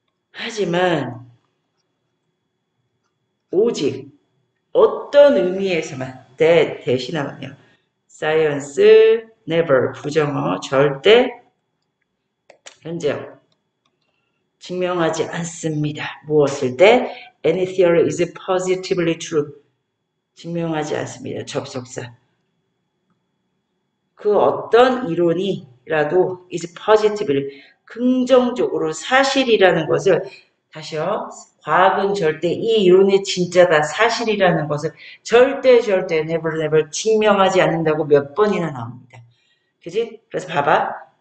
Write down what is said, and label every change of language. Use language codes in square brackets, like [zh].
[ko] 하지만 오직 어떤 의미에서만, that 대신 하면요. [en] Science never, [ko] 부정어, 절대 현재 증명하지 않습니다. 무엇을 때? [en] Any theory is positively true. [ko] 증명하지 않습니다. 접속사. 그 어떤 이론이라도 [en] is positively, [ko] 긍정적으로 사실이라는 것을, 다시요, 과학은 절대 이 이론이 진짜다, 사실이라는 것을 절대 절대 [en] never never [ko] 증명하지 않는다고 몇 번이나 나옵니다. 그지? 그래서 봐봐.